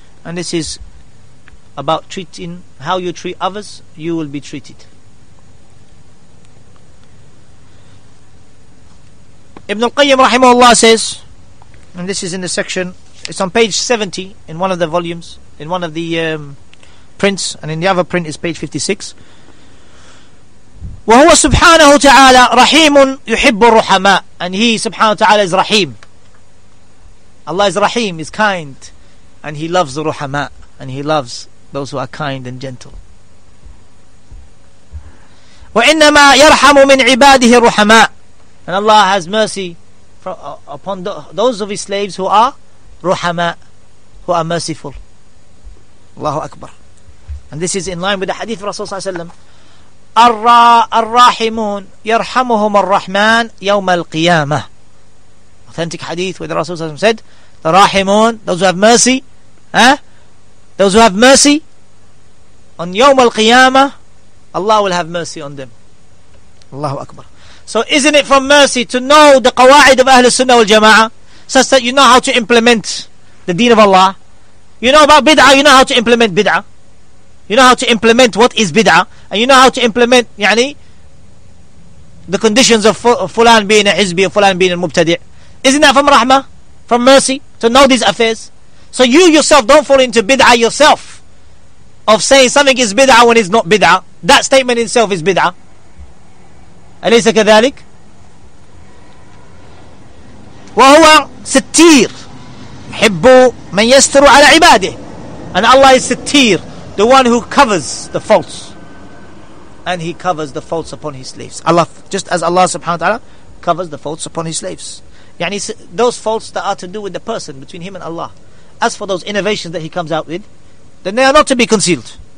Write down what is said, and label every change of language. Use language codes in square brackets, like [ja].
[en] And this is about treating, how you treat others, you will be treated. Ibn al-Qayyim rahimahullah says, and this is in the section, it's on page 70 in one of the volumes, in one of the prints, and in the other print is page 56. [ar] وهو سبحانه وتعالى رحيم يحب الرحماء. [en] And he سبحانه وتعالى is رحيم. Allah is رحيم, is kind, and he loves the رحماء, and he loves those who are kind and gentle. [ar] وإنما يرحم من عباده الرحماء. [en] And Allah has mercy upon those of his slaves who are رحماء, who are merciful. الله أكبر. And this is in line with the hadith of Rasulullah صلى الله عليه وسلم, [ar] الراحمون يرحمهم الرحمن يوم القيامة. [en] Authentic hadith where the Rasul صلى الله عليه وسلم said, the rahimun, those who have mercy, those who have mercy on [ar] يوم القيامة, [en] Allah will have mercy on them. Allahu Akbar. So isn't it from mercy to know the قواعد of Ahl Sunnah wal Jama'ah, such that you know how to implement the deen of Allah? You know about bid'ah, you know how to implement bid'ah. You know how to implement what is bid'ah, and you know how to implement يعني, the conditions of fulan being a hizbi or fulan being a mubtadi'. Isn't that from rahmah, from mercy, to know these affairs? So you yourself don't fall into bid'ah yourself of saying something is bid'ah when it's not bid'ah. That statement itself is bid'ah. [ar] أليس كذلك؟ وهو ستير حب من يستر على عباده. [en] And Allah is ستير, the one who covers the faults, and he covers the faults upon his slaves. Allah, just as Allah subhanahu wa ta'ala covers the faults upon his slaves, yani those faults that are to do with the person, between him and Allah. As for those innovations that he comes out with, then they are not to be concealed.